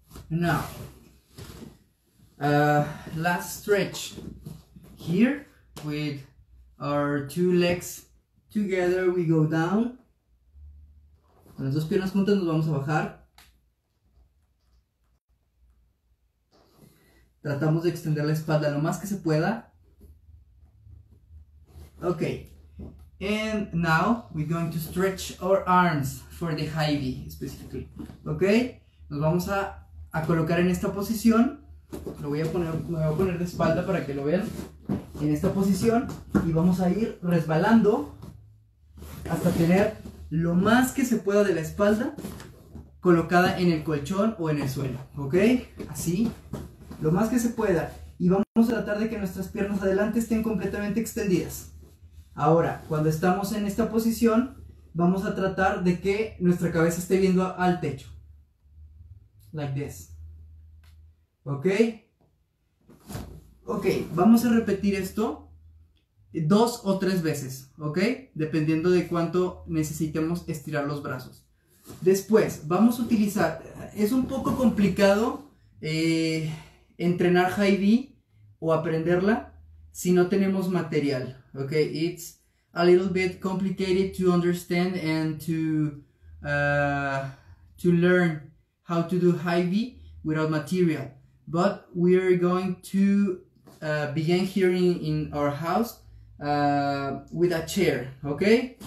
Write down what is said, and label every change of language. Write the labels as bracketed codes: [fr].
[en] Now, last stretch here with our two legs together. We go down. [es] Con las dos piernas juntas nos vamos a bajar. Tratamos de extender la espalda lo más que se pueda. Okay. And now we're going to stretch our arms for the high V specifically. Okay. Nos vamos a colocar en esta posición. Lo voy a poner, me voy a poner de espalda para que lo vean. En esta posición, y vamos a ir resbalando hasta tener lo más que se pueda de la espalda colocada en el colchón o en el suelo. ¿Ok? Así, lo más que se pueda. Y vamos a tratar de que nuestras piernas adelante estén completamente extendidas. Ahora, cuando estamos en esta posición, vamos a tratar de que nuestra cabeza esté viendo al techo. [en] Like this. [es] ¿Ok? Ok, vamos a repetir esto 2 o 3 veces, ¿ok? Dependiendo de cuánto necesitemos estirar los brazos. Después, vamos a utilizar... Es un poco complicado entrenar high V o aprenderla si no tenemos material, ¿ok? [en] It's a little bit complicated to understand and to learn how to do high V without material. But we are going to... begin here in our house with a chair, okay?